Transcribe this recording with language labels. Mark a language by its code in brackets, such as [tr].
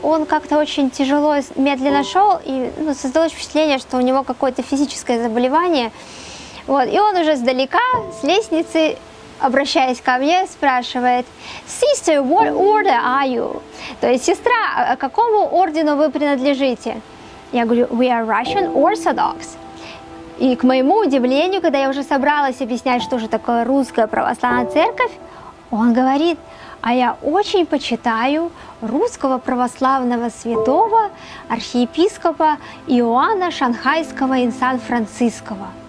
[ru] Он как-то очень тяжело, медленно шел, и ну, создалось впечатление, что у него какое-то физическое заболевание. Вот. И он уже сдалека, с лестницы, обращаясь ко мне, спрашивает: [en] «Sister, what order are you?» [ru] То есть: «Сестра, какому ордену вы принадлежите?» Я говорю: [en] «We are Russian Orthodox». [ru] И к моему удивлению, когда я уже собралась объяснять, что же такое русская православная церковь, он говорит: «А я очень почитаю русского православного святого архиепископа Иоанна Шанхайского ин Сан-Франциского».